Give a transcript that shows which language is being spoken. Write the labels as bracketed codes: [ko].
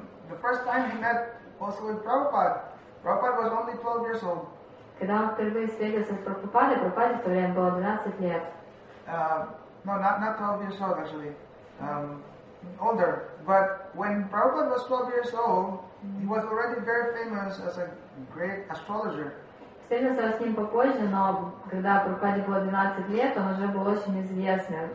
[en] The first time he met also with Prabhupada. Prabhupada was only 12 years old. [ru] Когда он впервые встретился с Прабхупадой, Прабхупаде в то время было 12 лет. [en] Not 12 years old, actually. Older. But when Prabhupada was 12 years old, he was already very famous as a great astrologer. [ru] Встретился с ним попозже, но когда Прабхупаде было 12 лет, он уже был очень известный.